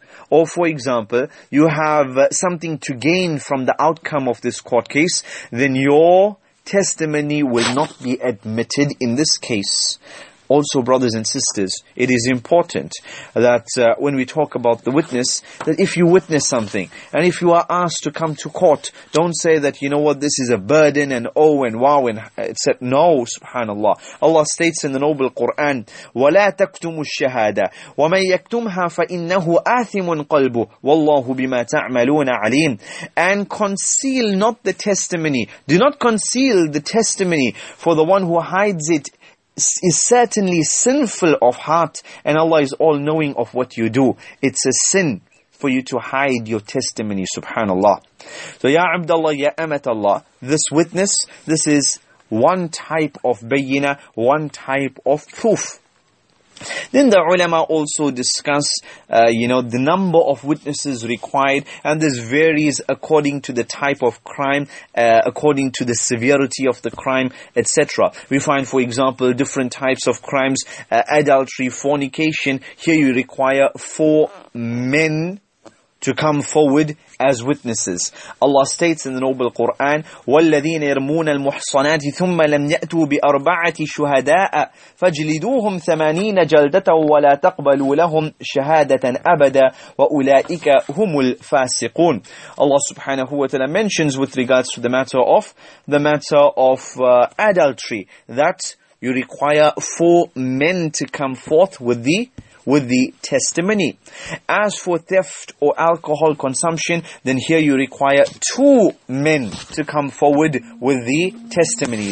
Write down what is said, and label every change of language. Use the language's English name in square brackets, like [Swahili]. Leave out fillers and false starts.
[English] Or for example, you have something to gain from the outcome of this court case, then your testimony will not be admitted in this case. Also, brothers and sisters, it is important that when we talk about the witness, that if you witness something, and if you are asked to come to court, don't say that, you know what, this is a burden, and oh, and wow, and etc. No, subhanAllah. Allah states in the Noble Qur'an, [Arabic] وَلَا تَكْتُمُوا الشَّهَادَةِ وَمَنْ يَكْتُمْهَا فَإِنَّهُ آثِمٌ قَلْبُهُ وَاللَّهُ بِمَا تَعْمَلُونَ عَلِيمٌ. [English] And conceal not the testimony. Do not conceal the testimony, for the one who hides it is certainly sinful of heart, and Allah is all knowing of what you do. It's a sin for you to hide your testimony, subhanAllah. So, Ya Abdullah, Ya Amatullah, this witness, this is one type of bayina, one type of proof. Then the ulama also discuss, the number of witnesses required, and this varies according to the type of crime, according to the severity of the crime, etc. We find, for example, different types of crimes, adultery, fornication. Here you require four men to come forward as witnesses. Allah states in the Noble Quran, [Arabic] وَالَّذِينَ يَرْمُونَ الْمُحْصَنَاتِ ثُمَّ لَمْ يَأْتُوا بِأَرْبَعَةِ شُهَدَاءَ فَاجْلِدُوهُمْ 80 جَلْدَةً وَلَا تَقْبَلُوا لَهُمْ شَهَادَةً أَبَدًا وَأُولَٰئِكَ هُمُ الْفَاسِقُونَ. [English] Allah subhanahu wa ta'ala mentions with regards to the matter of adultery, that you require four men to come forth with the testimony. As for theft or alcohol consumption, then here you require two men to come forward with the testimony.